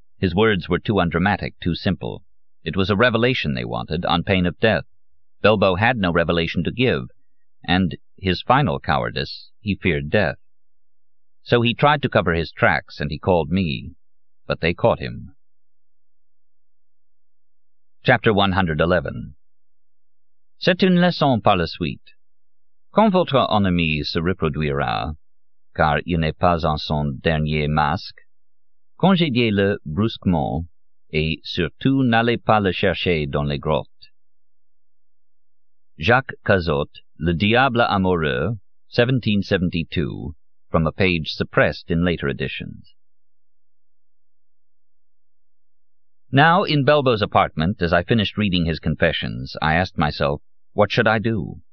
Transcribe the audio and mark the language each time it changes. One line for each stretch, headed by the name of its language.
English: His words were too undramatic, too simple. It was a revelation they wanted, on pain of death. Belbo had no revelation to give, and, his final cowardice, he feared death. So he tried to cover his tracks, and he called me, but they caught him. Chapter 111.
French: C'est une leçon par la suite. Quand votre ennemi se reproduira, car il n'est pas en son dernier masque, congédiez-le brusquement, et surtout n'allez pas le chercher dans les grottes.
English: Jacques Cazot, Le Diable Amoureux, 1772, from a page suppressed in later editions. Now, in Belbo's apartment, as I finished reading his confessions, I asked myself, what should I do?